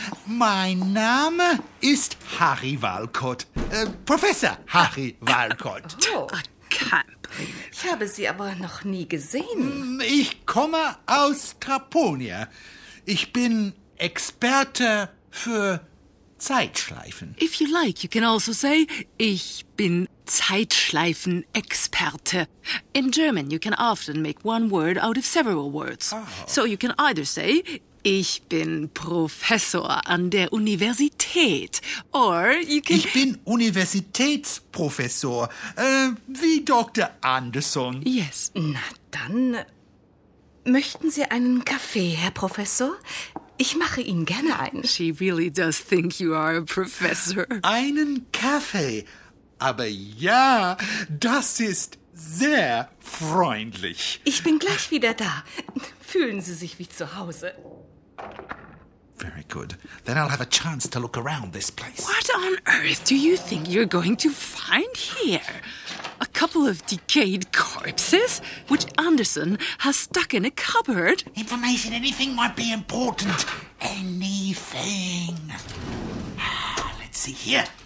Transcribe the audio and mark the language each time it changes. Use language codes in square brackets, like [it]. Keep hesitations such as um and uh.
[de] Mein Name ist Harry Walcott. Äh, Professor Harry Walcott. Oh, ich habe Sie aber noch nie gesehen. Ich komme aus Traponia. Ich bin Experte für Zeitschleifen. [en] If you like, you can also say, [de] ich bin Zeitschleifenexperte. [en] In German, you can often make one word out of several words. Oh. So you can either say, [de] ich bin Professor an der Universität. [en] Or you can. [de] Ich bin Universitätsprofessor. Äh, wie Dr. Anderson. Yes. Na dann. Möchten Sie einen Kaffee, Herr Professor? Ich mache Ihnen gerne einen. [en] She really does think you are a professor. [de] Einen Kaffee? Aber ja, das ist sehr freundlich. Ich bin gleich wieder da. Fühlen Sie sich wie zu Hause. [en] Very good. Then I'll have a chance to look around this place. What on earth do you think you're going to find here? A couple of decayed corpses, which Anderson has stuck in a cupboard? Information, anything might be important. Anything. Ah, let's see here.